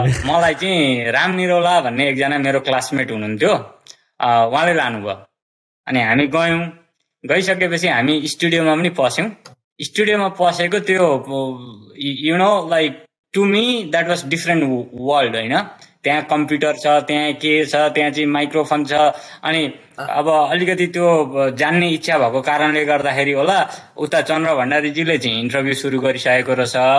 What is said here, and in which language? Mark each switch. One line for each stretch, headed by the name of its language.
Nepali: मलाई चाहिँ राम निरौला भन्ने एकजना मेरो क्लासमेट हुनुहुन्थ्यो, उहाँले लानुभयो. अनि हामी गयौँ, गइसकेपछि हामी स्टुडियोमा पनि पस्यौँ. स्टुडियोमा पसेको त्यो
English: you know like to me that was different world
Nepali: होइन. त्यहाँ कम्प्युटर छ, त्यहाँ के छ, त्यहाँ चाहिँ माइक्रोफोन छ. अनि अब अलिकति त्यो जान्ने इच्छा भएको कारणले गर्दाखेरि होला, उता चन्द्र भण्डारीजीले चाहिँ इन्टरभ्यू सुरु गरिसकेको रहेछ.